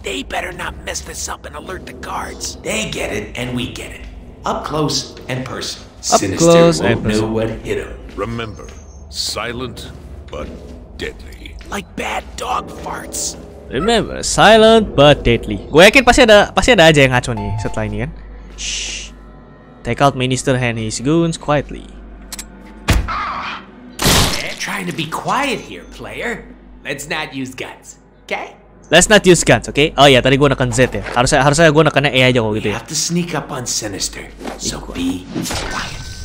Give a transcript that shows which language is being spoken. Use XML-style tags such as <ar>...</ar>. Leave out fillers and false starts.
<en>They better not mess this up and alert the guards. They get it, and we get it. Up close and personal. Up Sinister close won't know what hit him. Remember, silent but deadly. Like bad dog farts. Remember, silent but deadly.</en> <id>Gue yakin pasti ada aja yang ngaco nih setelah ini kan. Shh.</id> <en>Take out Minister and his goons quietly. Trying to be quiet here, player. Let's not use guns, okay? Let's not use guns, okay?</en> <id>Oh iya, tadi gue neken Z ya. Harusnya gue nekennya E aja kok gitu ya.</id> <en>We have to sneak up on Sinister, so be quiet.</en>